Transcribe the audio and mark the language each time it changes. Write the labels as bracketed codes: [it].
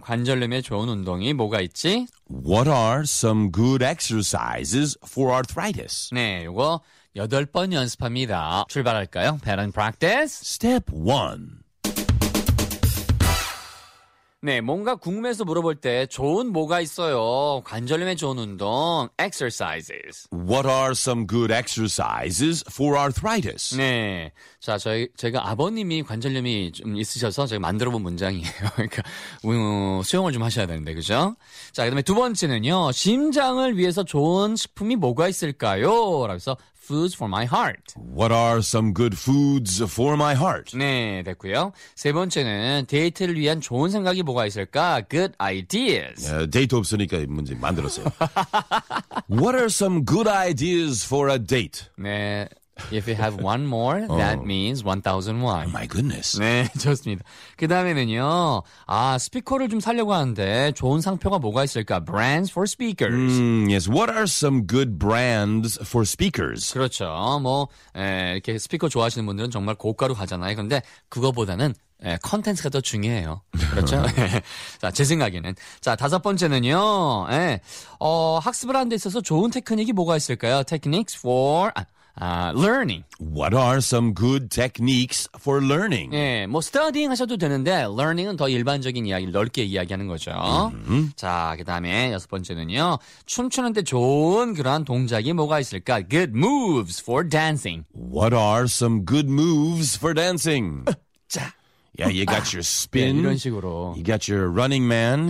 [ko] 관절염에 좋은 운동이 뭐가 있지? [en] What are some good exercises for arthritis? [ko] 네, 이거 여덟 번 연습합니다. 출발할까요? [en] Pattern practice. Step 1. [ko] 네, 뭔가 궁금해서 물어볼 때 좋은 뭐가 있어요? 관절염에 좋은 운동, exercises. [en] What are some good exercises for arthritis? [ko] 네, 자, 제가 아버님이 관절염이 좀 있으셔서 제가 만들어본 문장이에요. 그러니까 수영을 좀 하셔야 되는데, 그죠? 자, 그 다음에 두 번째는요. 심장을 위해서 좋은 식품이 뭐가 있을까요? 라면서 [en] foods for my heart. What are some good foods for my heart? [ko] 네, 됐고요. 세 번째는 데이트를 위한 좋은 생각이 뭐가 있을까? [en] Good ideas. [ko] 데이트 없으니까 문제 만들었어요. [en] What are some good ideas for a date? 네, if you have one more, that means 1001. Oh my goodness. [ko] 네, 좋습니다. 그 다음에는요. 아, 스피커를 좀 사려고 하는데 좋은 상표가 뭐가 있을까? [en] Brands for speakers. Yes, what are some good brands for speakers? [ko] 그렇죠. 뭐 이렇게 스피커 좋아하시는 분들은 정말 고가로 가잖아요. 그런데 그거보다는 콘텐츠가 더 중요해요. 그렇죠? 자, 제 생각에는. 자, 다섯 번째는요. 예. 학습을 하는 데 있어서 좋은 테크닉이 뭐가 있을까요? [en] Techniques for... learning. What are some good techniques for learning? [ko] 예, 뭐 studying 하셔도 되는데 learning은 더 일반적인 이야기, 넓게 이야기하는 거죠. Mm-hmm. 자, 그 다음에 여섯 번째는요. 춤추는 데 좋은 그런 동작이 뭐가 있을까? [en] Good moves for dancing. What are some good moves for dancing? [ko] 자. [en] Yeah, you got your spin. [ko] 네, 이런 식으로. [en] You got your running man.